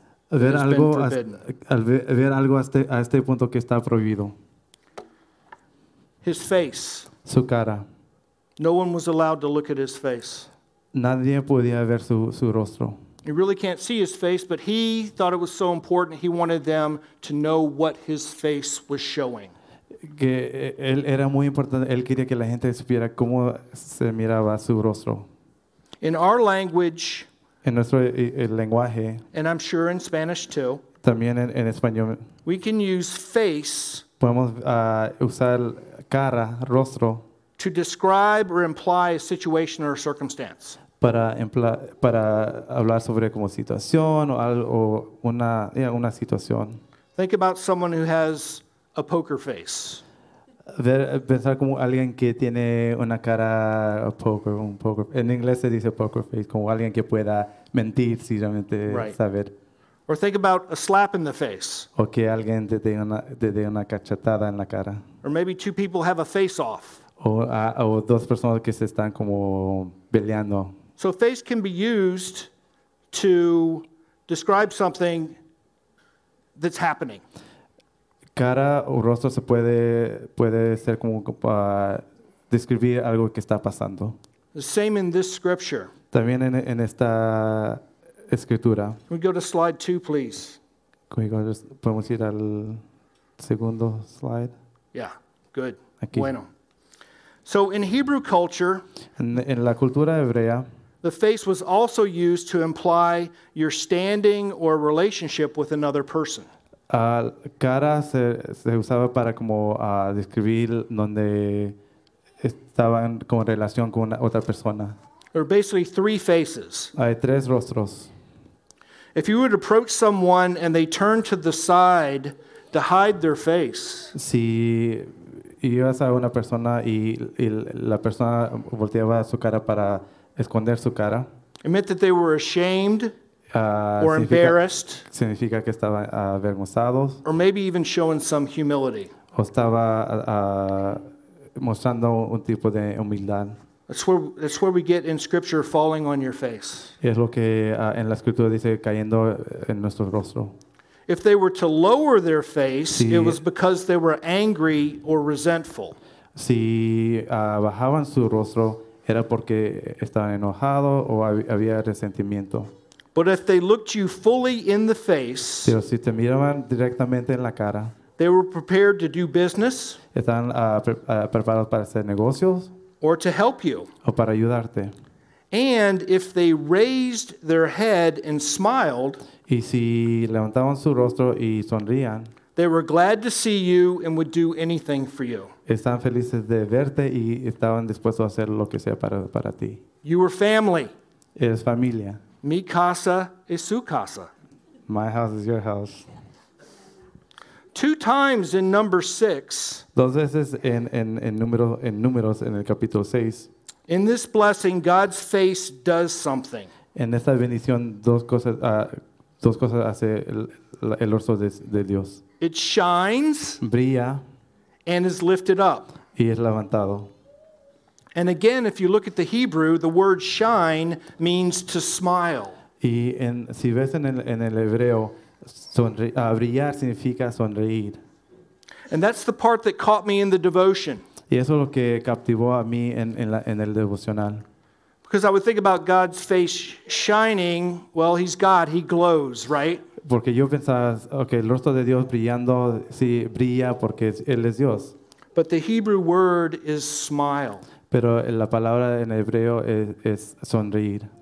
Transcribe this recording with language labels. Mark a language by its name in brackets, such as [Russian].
[English] ver has algo been forbidden. [Spanish] Ver algo a este punto que está prohibido. [English] His face. [Spanish] Su cara. [English] No one was allowed to look at his face. [Spanish] Nadie podía ver su rostro. [English] You really can't see his face, but he thought it was so important he wanted them to know what his face was showing. [Spanish] Que él era muy importante, él quería que la gente supiera cómo se miraba su rostro. [English] In our language, [Spanish] en nuestro el lenguaje, [English] and I'm sure in Spanish too, [Spanish] también en español, [English] we can use face, [Spanish] podemos usar cara, rostro, [English] to describe or imply a situation or a circumstance. [Spanish] Para hablar sobre como situación o una situación. [English] Think about someone who has a poker face. [Spanish] Pensar como alguien que tiene una cara un poker. En inglés se dice poker face, como alguien que pueda mentir si realmente [English] right. [Spanish] saber. [English] Or think about a slap in the face. [Spanish] O que alguien te dé una cachetada en la cara. [English] Or maybe two people have a face off. [Spanish] O dos personas que se están como peleando. [English] So face can be used to describe something that's happening. [Spanish] Cara o rostro se puede ser como describir algo que está pasando. [English] The same in this scripture. [Spanish] También en esta escritura. [English] Can we go to slide 2, please? [Spanish] ¿Podemos ir al segundo slide? [English] Yeah, good. [Spanish] Aquí. Bueno. [English] So in Hebrew culture, [Spanish] en la cultura hebrea, [English] the face was also used to imply your standing or relationship with another person. [Spanish] Cara se usaba para como describir donde estaban con relación con otra persona. [English] There are basically three faces. [Spanish] Hay tres rostros. [English] If you would approach someone and they turn to the side to hide their face. [Spanish] Si ibas a una persona y la persona volteaba su cara para esconder su cara. [English] It meant that they were ashamed or embarrassed. [Spanish] Significa que estaban avergonzados. [English] Or maybe even showing some humility. [Spanish] O estaba mostrando un tipo de humildad. [English] That's where we get in Scripture falling on your face. [Spanish] Y es lo que en la Escritura dice cayendo en nuestro rostro. [English] If they were to lower their face, [Spanish] si, [English] it was because they were angry or resentful. [Spanish] Si bajaban su rostro, era porque estaban enojados o había resentimiento. [English] But if they looked you fully in the face, [Spanish] pero si te miraban directamente en la cara, [English] they were prepared to do business, [Spanish] estaban preparados para hacer negocios, [English] or to help you, [Spanish] o para ayudarte. [English] And if they raised their head and smiled, [Spanish] y si levantaban su rostro y sonrían, [English] they were glad to see you and would do anything for you. [Spanish] Estaban felices de verte y estaban dispuestos a hacer lo que sea para ti. [English] You were family. [Spanish] Eres familia. Mi casa es su casa. [English] My house is your house. Two times in number 6. [Spanish] Dos veces en números en el capítulo 6. [English] In this blessing, God's face does something. [Spanish] En esta bendición, dos cosas hace el rostro de Dios. [English] It shines. [Spanish] Brilla. [English] And is lifted up. [Spanish] Y es levantado. [English] And again, if you look at the Hebrew, the word shine means to smile. [Spanish] Y si ves en el hebreo, brillar significa sonreír. [English] And that's the part that caught me in the devotion. [Spanish] Y eso es lo que captivó a mí en el devocional. [English] Because I would think about God's face shining. Well, he's God. He glows, right? [Spanish] Porque yo pensaba, okay, el rostro de Dios brillando, sí, brilla porque él es Dios. [English] But the Hebrew word is smile. [Spanish] Pero la palabra en hebreo es sonreír.